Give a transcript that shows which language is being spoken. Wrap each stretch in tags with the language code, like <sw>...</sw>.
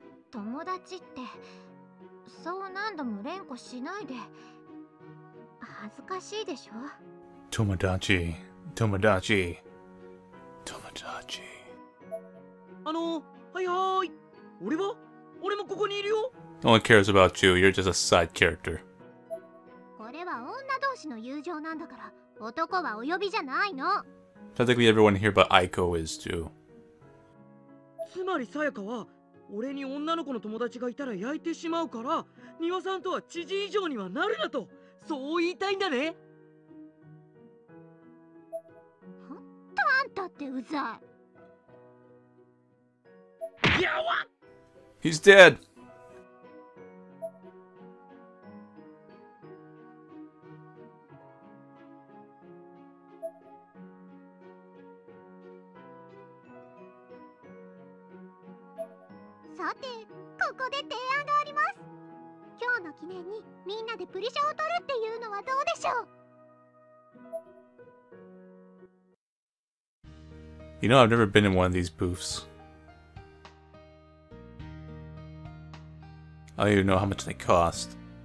<ja>友達って、そう何度も連呼しないで、恥ずかしいでしょ。友達、友達、友達。はいはい、俺は、俺もここにいるよ。</ja> <en>No one cares about you, you're just a side character.</en> <ja>これは女同士の友情なんだから、男はお呼びじゃないの。</ja> <en>Technically everyone here but Aiko is too.</en> <ja>つまりさやかは俺に女の子の友達がいたら焼いてしまうから、ニワさんとは知人以上にはなるなと、そう言いたいんだね。ほんとあんたってうざい。ギャワ！</ja> <en>He's dead!</en> <ja>さて、ここで提案があります。今日の記念にみんなでプリショを撮るっていうのはどうでしょう。</ja> <en>You know, I've never been in one of these booths. I don't even know how much they cost.</en>